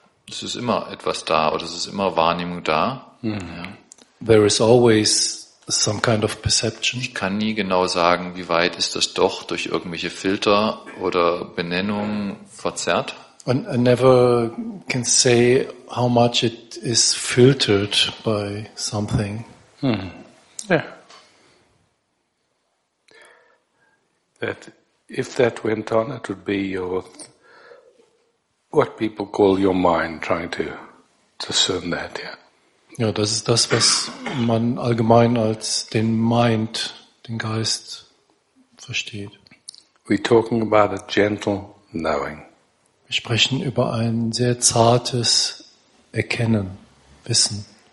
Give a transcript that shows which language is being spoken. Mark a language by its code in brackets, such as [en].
[de] Es ist immer etwas da oder es ist immer Wahrnehmung da. [en] Ja. There is always some kind of perception. [de] Ich kann nie genau sagen, wie weit ist das doch durch irgendwelche Filter oder Benennungen verzerrt. [en] And I never can say how much it is filtered by something. Yeah. That if that went on, it would be your what people call your mind trying to discern that, yeah. [de] Ja, das ist das, was man allgemein als den Mind, den Geist versteht. [en] We're talking about a gentle knowing. [de] Wir sprechen über ein sehr zartes Erkennen, Wissen.